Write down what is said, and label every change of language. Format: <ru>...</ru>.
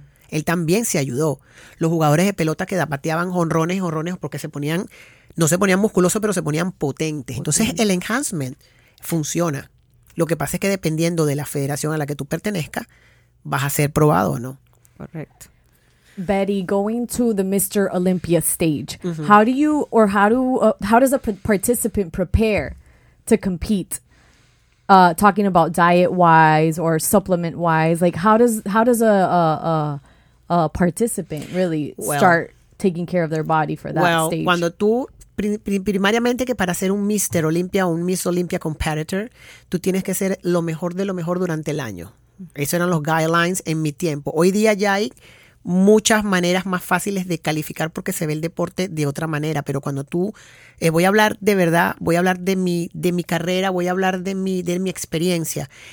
<es>Él también se ayudó. Los jugadores de pelota que pateaban jonrones, porque no se ponían musculosos, pero se ponían potentes. Entonces, el enhancement funciona. Lo que pasa es que dependiendo de la federación a la que tú pertenezcas, vas a ser probado o no. Correcto.</es> <en>Betty, going to the Mr. Olympia stage, how does a participant prepare to compete? Talking about diet wise or supplement wise, like how does a participant really start taking care of their body for that stage?</en> <es>Cuando tú primariamente que para ser un Mr. Olympia o un Miss Olympia competitor, tú tienes que ser lo mejor de lo mejor durante el año. Esos eran los guidelines en mi tiempo. Hoy día ya hay muchas maneras más fáciles de calificar porque se ve el deporte de otra manera. Pero cuando tú, voy a hablar de verdad, voy a hablar de mi carrera, voy a hablar de mi experiencia.</es>